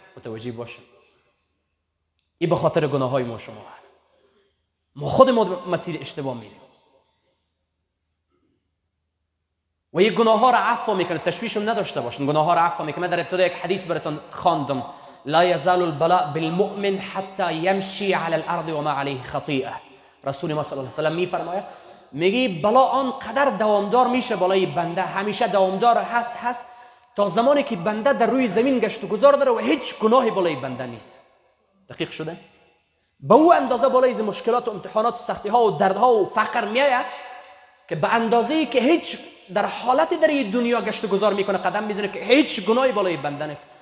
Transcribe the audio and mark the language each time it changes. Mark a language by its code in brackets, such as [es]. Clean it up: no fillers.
[fa] متوجه باشه، ای به خاطر گناه های ما شما هست. ما خود ما مسیر اشتباه میریم و یک گناه ها را عفو میکنه. تشویشم نداشته باشن، گناه ها را عفو میکنه. من در ابتدا یک حدیث براتون خواندم، [ar] لا يزال البلاء بالمؤمن حتى يمشي على الارض وما عليه خطيئه. [fa] رسول ما [ar] صلى الله عليه وسلم [fa] میفرمایه میگه بلا آن قدر دوامدار میشه بلای بنده همیشه دوامدار هست هست تا زمانی که بنده در روی زمین گشت و گذار داره و هیچ گناهی بلای بنده نیست. دقیق شده؟ به او اندازه بلای از مشکلات و امتحانات و سختی ها و دردها و فقر میآید که به اندازه ای که هیچ در حالت در این دنیا گشت و گذار میکنه قدم میزنه که هیچ گناهی بلای بنده نیست.